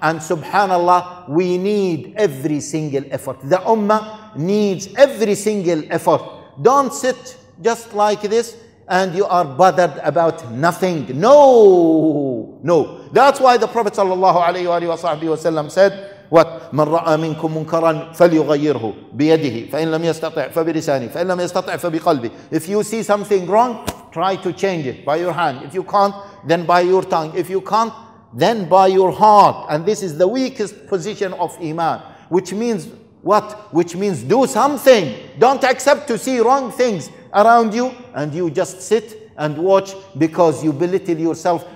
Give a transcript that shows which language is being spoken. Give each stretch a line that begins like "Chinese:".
English: And subhanallah, we need every single effort. The ummah needs every single effort. Don't sit just like this and you are bothered about nothing. No, no. That's why the Prophet sallallahu alayhi wa sahbihi wa sallam said, what?
Arabic: من رأى منكم منكرا فليغيره بيده فإن لم يستطع فبلسانه فإن لم يستطع فبقلبه.
English: If you see something wrong, try to change it by your hand. If you can't, then by your tongue. If you can't, then by your heart. And this is the weakest position of iman. Which means what? Which means do something. Don't accept to see wrong things around you and you just sit and watch because you belittle yourself.